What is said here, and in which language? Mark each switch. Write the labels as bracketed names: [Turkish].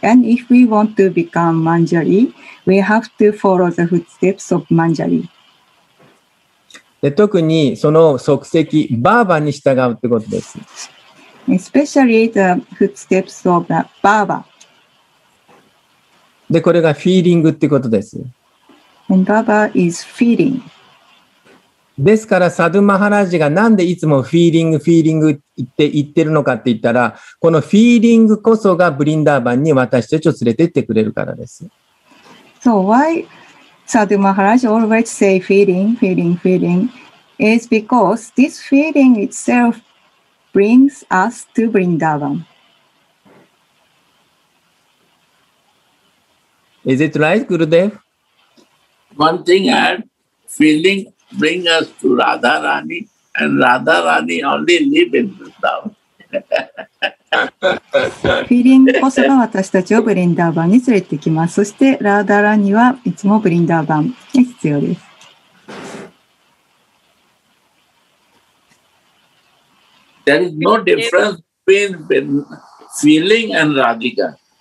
[English] And if we want to become Manjari,We have to follow the footsteps of Manjari. [Japanese] で、特にその足跡、バーバに従うってことです。 [English] Especially the footsteps of the Baba. [Japanese] で、これがフィーリングってことです。 [English] And Baba is feeling. [Japanese] ですから、サドゥ・マハラジがなんでいつもフィーリング、フィーリングって言ってるのかって言ったら、このフィーリングこそがブリンダーバンに私たちを連れてってくれるからです。 [English] So why Sadhu Maharaj always say feeling, feeling, feeling is because this feeling itself brings us to Vrindavan. Is it right, Gurudev? One thing add, feeling bring us to Radharani and Radharani only live in Vrindavan. [Japanese] フィーリングこそが私たちをブリンダーバンに連れてきます。そしてラーダラにはいつもブリンダーバンが必要です。 [English] There is no difference between feeling and Radhika.